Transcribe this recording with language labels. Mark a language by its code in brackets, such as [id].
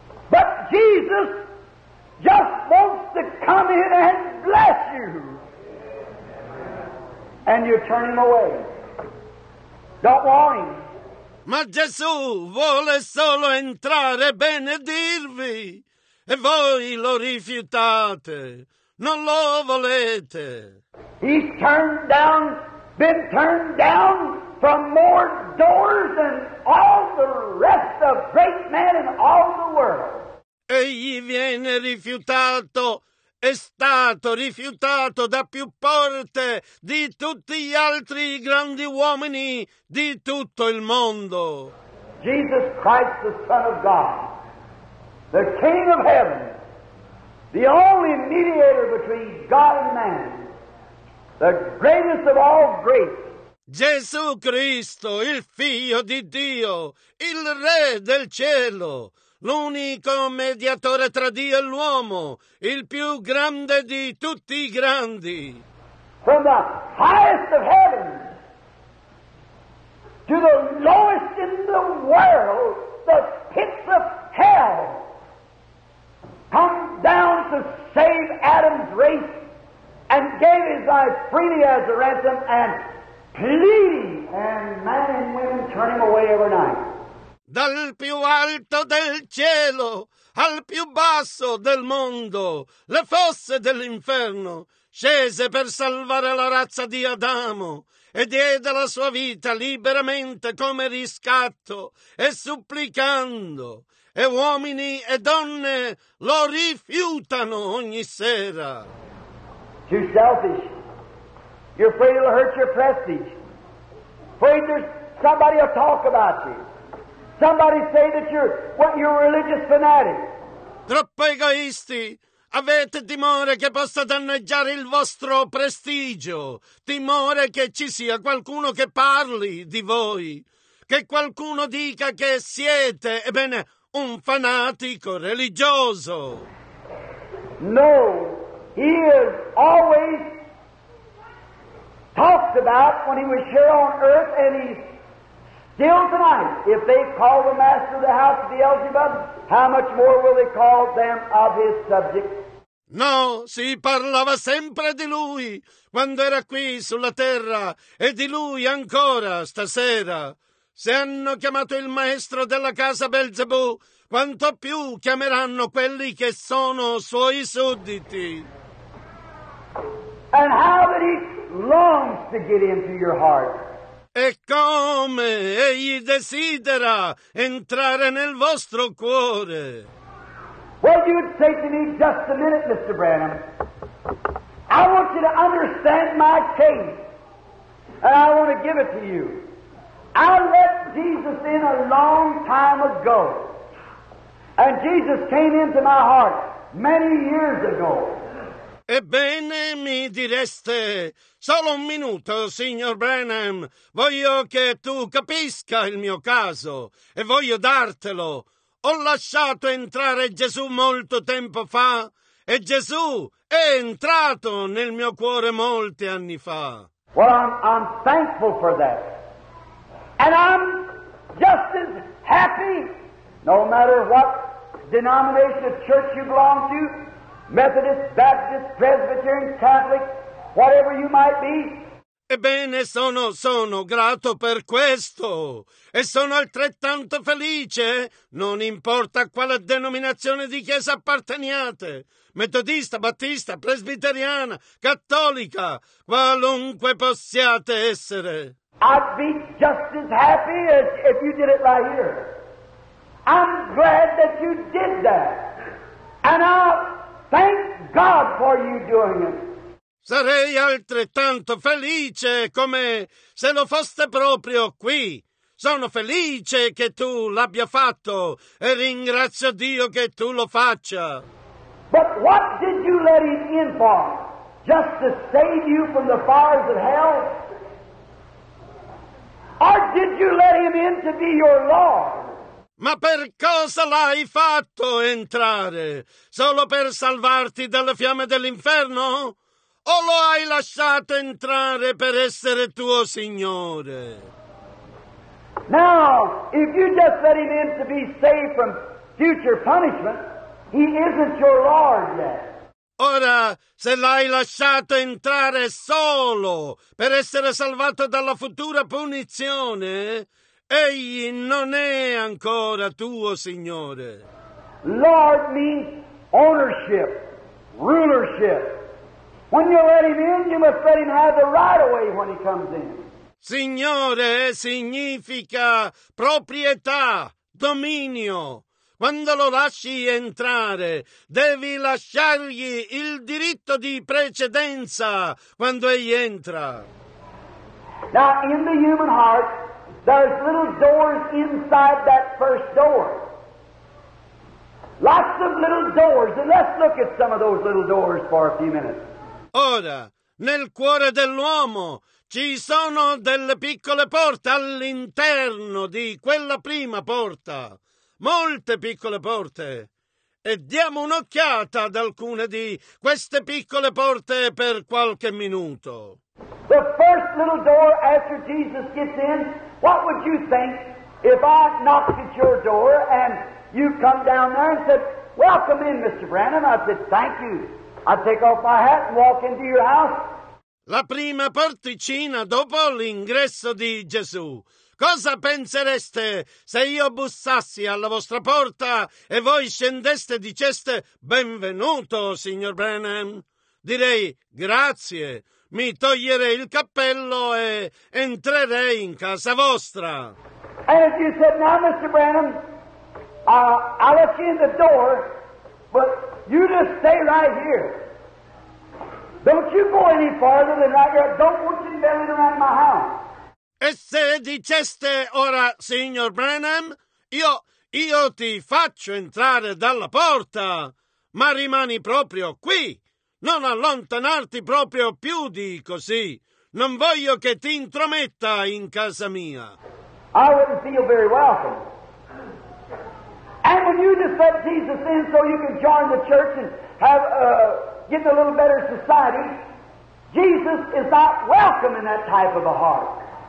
[en] But Jesus just wants to come in and bless you. And you turn him away. Don't want him. [it] Ma Gesù vuole solo entrare e benedirvi, e voi lo rifiutate, non lo volete. [en] He's turned down, been turned down from more doors than all the rest of great men in all the world. [it] Egli viene rifiutato, è stato rifiutato da più porte di tutti gli altri grandi uomini di tutto il mondo. [en] Jesus Christ, the Son of God, the King of Heaven, the only mediator between God and man, the greatest of all greats. [it] Gesù Cristo, il Figlio di Dio, il Re del Cielo, l'unico mediatore tra Dio e l'uomo, il più grande di tutti i grandi. [en] From the highest of heaven to the lowest in the world, the pits of hell, come down to save Adam's race and gave his life freely as a ransom and pleading, and men and women turn him away every night. [it] Dal più alto del cielo al più basso del mondo, le fosse dell'inferno, scese per salvare la razza di Adamo e diede la sua vita liberamente come riscatto e supplicando. E uomini e donne lo rifiutano ogni sera. [en] Too selfish. You're afraid it'll hurt your prestige. Afraid there's somebody will talk about you. Somebody say that you're a religious fanatic. [it] Troppo egoisti! Avete timore che possa danneggiare il vostro prestigio, timore che ci sia qualcuno che parli di voi, che qualcuno dica che siete, ebbene, un fanatico religioso. [en] No, he is always talked about when he was here on earth, and he's still tonight. If they call the master of the house of Beelzebub, how much more will they call them of his subjects? [it] No, si parlava sempre di lui quando era qui sulla terra e di lui ancora stasera. Se hanno chiamato il maestro della casa Belzebù, quanto più chiameranno quelli che sono suoi sudditi. [en] And how that he longs to get into your heart. [it] E come egli desidera entrare nel vostro cuore. [en] Well, you'd say to me, just a minute, Mr. Branham. I want you to understand my case, and I want to give it to you. I let Jesus in a long time ago, and Jesus came into my heart many years ago. [it] Ebbene, mi direste, solo un minuto, signor Branham. Voglio che tu capisca il mio caso, e voglio dartelo. Ho lasciato entrare Gesù molto tempo fa e Gesù è entrato nel mio cuore molti anni fa. [en] Well, I'm thankful for that. And I'm just as happy, no matter what denomination of church you belong to, Methodist, Baptist, Presbyterian, Catholic, whatever you might be. [it] Ebbene, sono grato per questo, e sono altrettanto felice, non importa a quale denominazione di chiesa apparteniate, metodista, battista, presbiteriana, cattolica, qualunque possiate essere. [en] I'd be just as happy as if you did it right here. I'm glad that you did that, and I thank God for you doing it. [it] Sarei altrettanto felice come se lo foste proprio qui. Sono felice che tu l'abbia fatto e ringrazio Dio che tu lo faccia. [en] But what did you let him in for? Just to save you from the fires of hell? Or did you let him in to be your Lord? [it] Ma per cosa l'hai fatto entrare? Solo per salvarti dalle fiamme dell'inferno? O lo hai lasciato entrare per essere tuo Signore? [en] Now, if you just let him in to be saved from future punishment, he isn't your Lord yet. [it] Ora, se l'hai lasciato entrare solo per essere salvato dalla futura punizione, egli non è ancora tuo Signore. [en] Lord means ownership, rulership. When you let him in, you must let him have the right of way when he comes in. [it] Signore significa proprietà, dominio. Quando lo lasci entrare, devi lasciargli il diritto di precedenza quando egli entra. [en] Now, in the human heart, there's little doors inside that first door. Lots of little doors, and let's look at some of those little doors for a few minutes. [it] Ora, nel cuore dell'uomo ci sono delle piccole porte all'interno di quella prima porta, molte piccole porte. E diamo un'occhiata ad alcune di queste piccole porte per qualche minuto. [en] The first little door after Jesus gets in, what would you think if I knocked at your door and you come down there and said, "Welcome in, Mr. Branham." I said, "Thank you." I take off my hat and walk into your house. [it] La prima porticina dopo l'ingresso di Gesù. Cosa pensereste se io bussassi alla vostra porta e voi scendeste e diceste benvenuto, signor Branham? Direi grazie, mi toglierei il cappello e entrerei in casa vostra. [en] And if you said, "Now, Mr. Branham, I'll let you in the door, but you just stay right here. Don't you go any farther than right here. Don't want you to be around my house." [it] E se diceste ora, signor Branham, Io ti faccio entrare dalla porta, ma rimani proprio qui. Non allontanarti proprio più di così. Non voglio che ti intrometta in casa mia. [en] I wouldn't feel very welcome. And when you just let Jesus in so you can join the church and have get a little better society, Jesus is not welcome in that type of a heart.